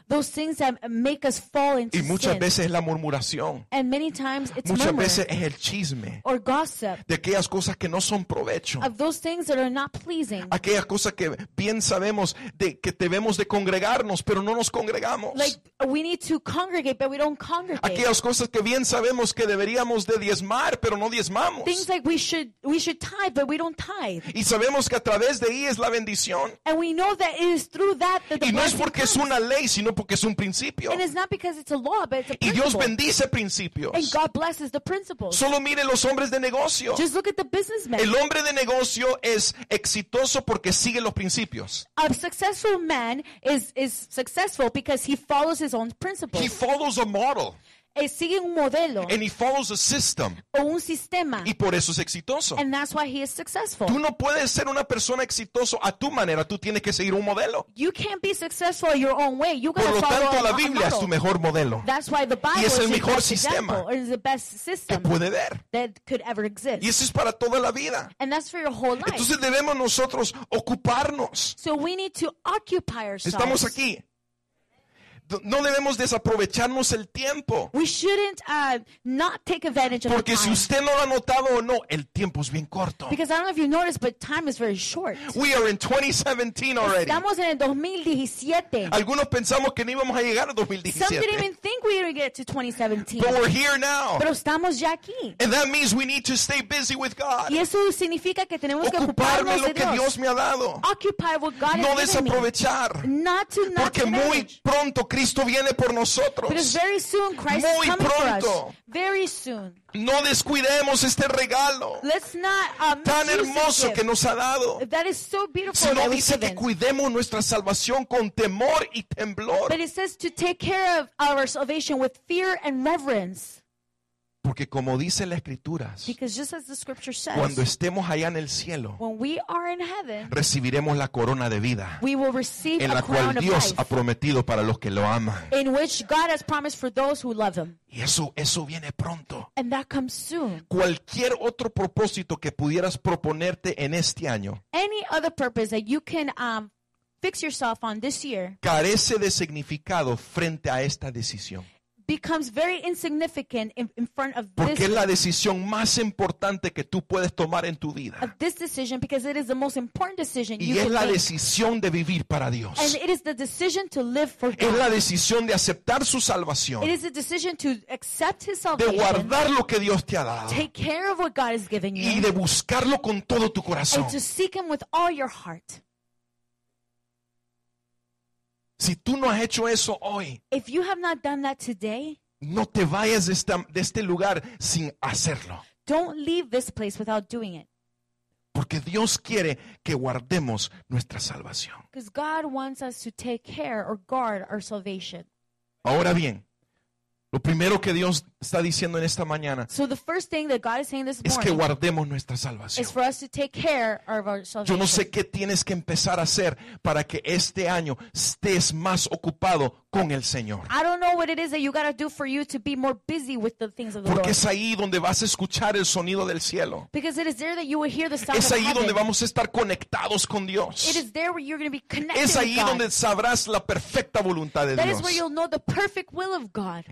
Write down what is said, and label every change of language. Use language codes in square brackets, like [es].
[en] Those things that make us fall into [es] y muchas [en] sin. [es] Veces es la murmuración. [en] And many times it's [es] muchas [en] murmur. [es] Veces es el chisme. [en] Or gossip. [es] De aquellas cosas que no son provecho. [en] Of those things that are not pleasing. [es] Aquellas cosas que bien sabemos de que debemos de congregarnos, pero no nos congregamos. [en] Like we need to congregate, but we don't congregate. [es] Aquellas cosas que bien sabemos que deberíamos de diezmar, pero no diezmamos. [en] Things like we should tithe, but we don't tithe. [es] Y sabemos que a través de ahí es la bendición. [en] And we know that it is through that that the [es] y no es porque [en] comes. [es] Es una ley, sino porque es un principio. [en] And it's not because it's a law, but it's a principle. [es] Y Dios bendice principios. [en] And God blesses the principles. [es] Solo mire los hombres de negocio. [en] Just look at the businessmen. [es] El hombre de negocio es exitoso porque sigue los principios. [en] A successful man is successful because he follows his own principles. He follows a model. [es] Sigue un modelo. [en] And he follows a system. [es] O un sistema. Y por eso es exitoso. [en] And that's why he is successful. [es] Tú no puedes ser una persona exitoso a tu manera. Tú tienes que seguir un modelo. [en] You can't be successful your own way. You gotta follow a model. [es] Por lo tanto, la Biblia es tu mejor modelo. [en] That's why the Bible [es] y es el [en] is [es] mejor [en] your best [es] sistema [en] example, is the best system [es] que puede ver. [en] That could ever exist. [es] Y eso es para toda la vida. [en] And that's for your whole life. [es] Entonces debemos nosotros ocuparnos. [en] So we need to occupy ourselves. [es] Estamos aquí. No debemos desaprovecharnos el tiempo. [en] We shouldn't not take advantage of [es] porque [en] the time. [es] Porque si usted no lo ha notado o no, el tiempo es bien corto. [en] Because I don't know if you noticed, but time is very short. We are in 2017 already. [es] Estamos en el 2017. Algunos pensamos que no íbamos a llegar a 2017. [en] Some didn't even think we would get to 2017. But we're here now. [es] Pero estamos ya aquí. [en] And that means we need to stay busy with God. [es] Y eso significa que tenemos que ocuparme lo que Dios me ha dado. [en] Occupy what God has given [es] me. No desaprovechar. [en] Not to not [es] porque [en] manage. [es] Muy pronto Cristo viene por nosotros. [en] Because very soon Christ [es] muy [en] is coming [es] pronto. [en] For us. Very soon. [es] No descuidemos este regalo. [en] Let's not, [es] tan hermoso que nos ha dado. [en] That is so beautiful. [es] Sino [en] that [es] dice que cuidemos nuestra salvación con temor y temblor. [en] But it says to take care of our salvation with fear and reverence. [es] Porque como dice la Escritura. [en] Because just as the scripture says. [es] Cuando estemos allá en el cielo. [en] When we are in heaven. [es] Recibiremos la corona de vida. [en] We will receive [es] en la [en] a [es] cual [en] crown [es] Dios [en] of life, [es] ha prometido para los que lo aman. [en] In which God has promised for those who love him. [es] Y eso viene pronto. [en] And that comes soon. [es] Cualquier otro propósito que pudieras proponerte en este año. [en] Any other purpose that you can fix yourself on this year. [es] Carece de significado frente a esta decisión. [en] Becomes very insignificant in front of this. [es] Porque es la decisión más importante que tú puedes tomar en tu vida. [en] Of this decision, because it is the most important decision [es] y [en] you can make. [es] Y es la decisión de vivir para Dios. [en] And it is the decision to live for God. [es] Es la decisión de aceptar su salvación. [en] It is the decision to accept his salvation. [es] De guardar lo que Dios te ha dado. [en] Take care of what God has given you. [es] Y de buscarlo con todo tu corazón. [en] And to seek him with all your heart. [es] Si tú no has hecho eso hoy, [en] if you have not done that today, [es] no te vayas de este lugar sin hacerlo. [en] Don't leave this place without doing it. [es] Porque Dios quiere que guardemos nuestra salvación. [en] Because God wants us to take care or guard our salvation. [es] Ahora bien, lo primero que Dios está diciendo en esta mañana, [en] so the first thing that God is saying this morning, [es] es que guardemos nuestra salvación. [en] Is for us to take care of our salvation. [es] Yo no sé qué tienes que empezar a hacer para que este año estés más ocupado con el Señor. [en] I don't know what it is that you got to do for you to be more busy with the things of the Lord. [es] Porque es ahí donde vas a escuchar el sonido del cielo. [en] Because it is there that you will hear the sound of heaven. [es] Es ahí donde vamos a estar conectados con Dios. [en] It is there where you're going to be connected with [es] God. Es ahí donde sabrás la perfecta voluntad de Dios. [en] That is where you'll know the perfect will of God.